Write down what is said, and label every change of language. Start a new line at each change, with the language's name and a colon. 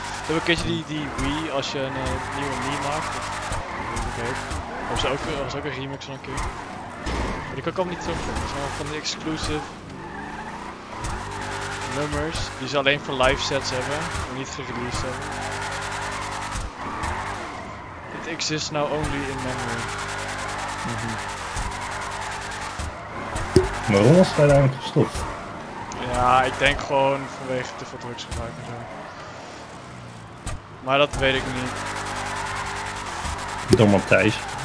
Dutch: Heb ik een keertje die Wii, als je een nieuwe Mii maakt, was ook een remix van een keer. Maar die kan ik ook niet terugvinden. Dat zijn allemaal van die exclusive nummers, die ze alleen voor live sets hebben, en niet gereleased hebben.
English: It exists now only in memory. Mm-hmm.
Dutch: Waarom was hij eigenlijk gestopt? Ja, ik denk gewoon vanwege te veel drugs gebruik en zo. Maar dat weet ik niet. Door Matthijs.